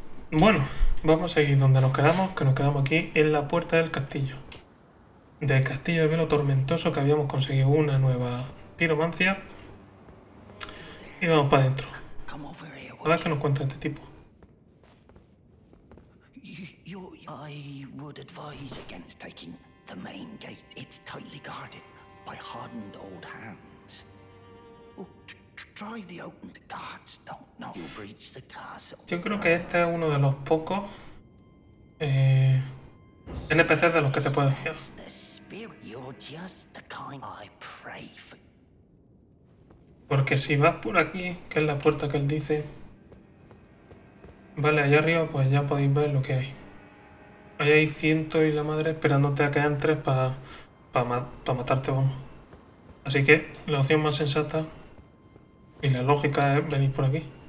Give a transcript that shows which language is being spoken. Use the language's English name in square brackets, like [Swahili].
[Spanish] Bueno, vamos a ir donde nos quedamos, que nos quedamos aquí, en la puerta del castillo. Del castillo de Velo Tormentoso, que habíamos conseguido una nueva piromancia. Y vamos para adentro. A ver qué nos cuenta este tipo. [English] I would advise against taking the main gate. It's tightly guarded by hardened old hands. Try the open. The guards don't know. You breach the castle. [Spanish] Yo creo que este es uno de los pocos NPCs de los que te puedes fiar. [English] That's the spirit. You're just the kind I pray for. [Spanish] Porque si vas por aquí, que es la puerta que él dice, vale, allá arriba, pues ya podéis ver lo que hay. Ahí hay ciento y la madre esperándote a que entres para matarte, vamos. Así que la opción más sensata y la lógica es venir por aquí.